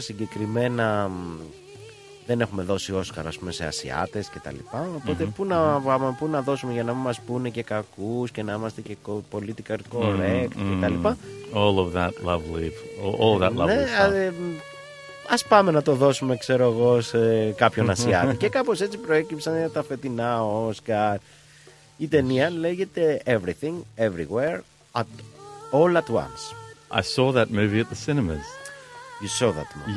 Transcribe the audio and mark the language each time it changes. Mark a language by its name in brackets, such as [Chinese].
[Greek] Συγκεκριμένα δεν έχουμε δώσει Όσκαρ, ας πούμε, σε Ασιάτες και τα λοιπά. Οπότε πού να δώσουμε για να μην μας πούνε και κακούς και να είμαστε και πολιτικά correct και τα λοιπά. [English] All of that lovely, all that lovely stuff. [Greek] Ναι, ας πάμε να το δώσουμε, ξέρω εγώ, σε κάποιον Ασιάτη. Και κάπως έτσι προέκυψαν τα φετινά Όσκαρ. Η ταινία λέγεται Everything, Everywhere, All at Once. [English] I saw that movie at the cinemas. You saw that movie.